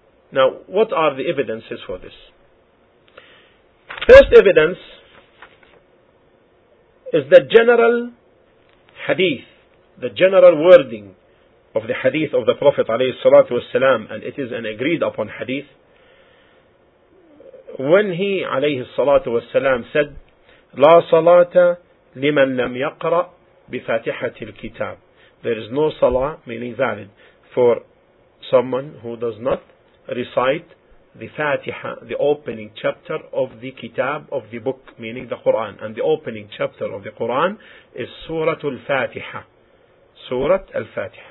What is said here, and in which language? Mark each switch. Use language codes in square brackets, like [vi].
[en] Now, what are the evidences for this? First evidence is the general hadith, the general wording of the hadith of the Prophet والسلام, and it is an agreed upon hadith. When he [ar] والسلام, [en] said, [ar] لا صلاة لمن لم يقرأ بفاتحة الكتاب. [en] There is no salah, meaning valid, for someone who does not recite the Fatiha, the opening chapter of the kitab of the book, meaning the Quran. And the opening chapter of the Quran is Surah Al-Fatiha. Surah Al-Fatiha.